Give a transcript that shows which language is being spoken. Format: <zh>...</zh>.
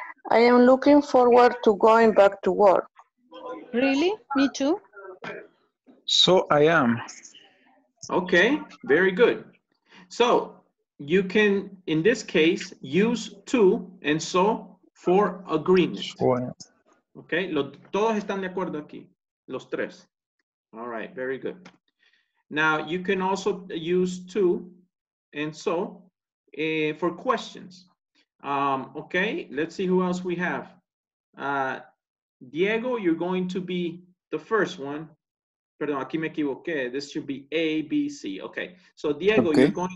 <en>I am looking forward to going back to work. Really? Me too. So I am. Okay, very good. So you can, in this case, use to and so for agreement.</en> <es>Okay, todos están de acuerdo aquí, los tres.</es> <en>All right, very good. Now you can also use to and so for questions. Okay, let's see who else we have. Diego, you're going to be the first one.</en> <es>Perdón, aquí me equivoqué.</es> <en>This should be A, B, C. Okay. So Diego, okay.</en>